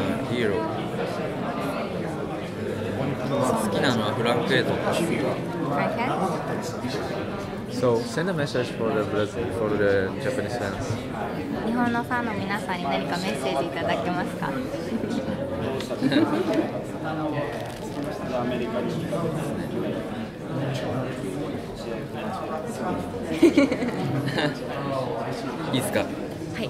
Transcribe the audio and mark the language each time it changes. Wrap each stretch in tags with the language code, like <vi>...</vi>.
<ja>ヒーロー好きなのはフランク・エイドか。</ja> <en>So, send a message for the Brazil, for the Japanese fans.</en> <ja>日本のファンの皆さんに何かメッセージいただけますか？いいっすか、はい、</ja>